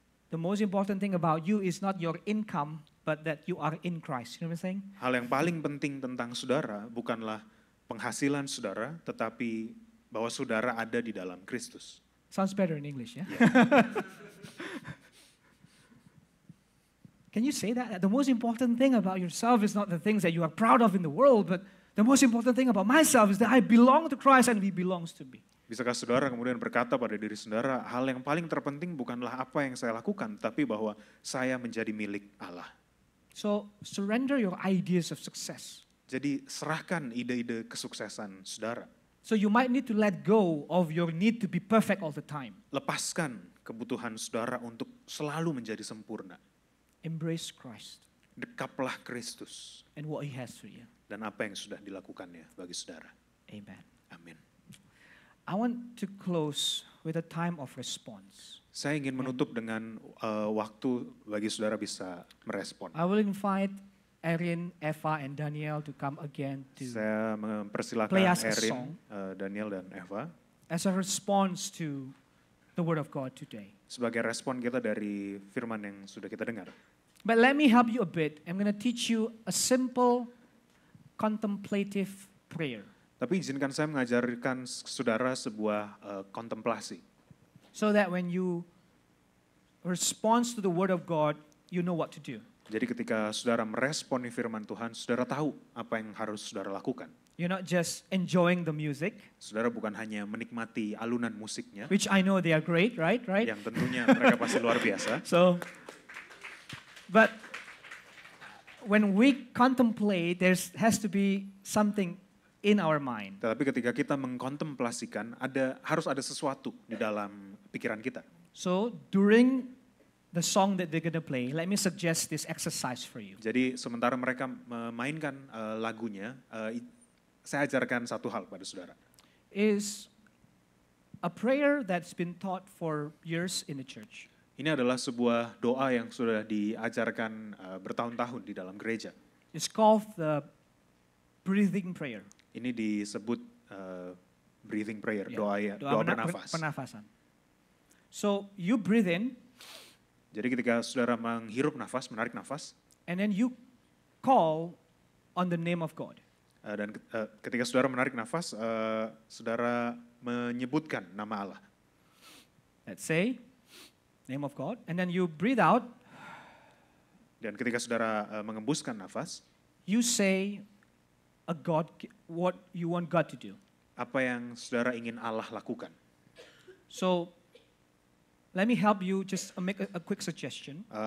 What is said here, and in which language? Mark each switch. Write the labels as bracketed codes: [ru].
[en] The most important thing about you is not your income, but that you are in Christ. You know what I'm saying? [id] Hal yang paling penting tentang saudara bukanlah penghasilan saudara, tetapi bahwa saudara ada di dalam Kristus. [en] Sounds better in English, yeah? Can you say that? The most important thing about yourself is not the things that you are proud of in the world, but the most important thing about myself is that I belong to Christ and He belongs to me. [id] Bisakah saudara kemudian berkata pada diri saudara, hal yang paling terpenting bukanlah apa yang saya lakukan, tapi bahwa saya menjadi milik Allah. [en] So, surrender your ideas of success. [id] Jadi, serahkan ide-ide kesuksesan saudara. [en] So you might need to let go of your need to be perfect all the time. [id] Lepaskan kebutuhan saudara untuk selalu menjadi sempurna. [en] Embrace Christ. [id] Dekaplah Kristus. [en] And what He has for you. [id] Dan apa yang sudah dilakukannya bagi saudara. [en] Amen. [id] Amin. [en] I want to close with a time of response. [id] Saya ingin menutup dengan waktu bagi saudara bisa merespon. [en] I will invite Erin, Eva, and Daniel to come again to [id] saya mempersilakan Erin, Daniel, dan Eva [en] as a response to the word of God today. [id] Sebagai respon kita dari firman yang sudah kita dengar. [en] But let me help you a bit. I'm going to teach you a simple contemplative prayer. [id] Tapi izinkan saya mengajarkan saudara sebuah kontemplasi. [en] So that when you respond to the word of God, you know what to do. [id] Jadi ketika saudara meresponi firman Tuhan, saudara tahu apa yang harus saudara lakukan. [en] You're not just enjoying the music. [id] Saudara bukan hanya menikmati alunan musiknya. [en] Which I know they are great, right? Right? [id] Yang tentunya mereka pasti luar biasa. [en] So, but when we contemplate, there has to be something in our mind. [id] Tetapi ketika kita mengkontemplasikan, harus ada sesuatu di dalam pikiran kita. [en] So, during the song that they're gonna play, let me suggest this exercise for you. [id] Jadi sementara mereka memainkan lagunya, saya ajarkan satu hal pada saudara. [en] Is a prayer that's been taught for years in the church. [id] Ini adalah sebuah doa yang sudah diajarkan bertahun-tahun di dalam gereja. [en] It's called the breathing prayer. [id] Ini disebut breathing prayer, yeah. doa bernafas. [en] Pernafasan. So you breathe in. [id] Jadi ketika saudara menghirup nafas, menarik nafas. [en] And then you call on the name of God. [id] Ketika saudara menarik nafas, saudara menyebutkan nama Allah. [en] Let's say, name of God. And then you breathe out. [id] Dan ketika saudara mengembuskan nafas. [en] You say a God, what you want God to do. [id] Apa yang saudara ingin Allah lakukan. [en] So, let me help you just make a quick suggestion.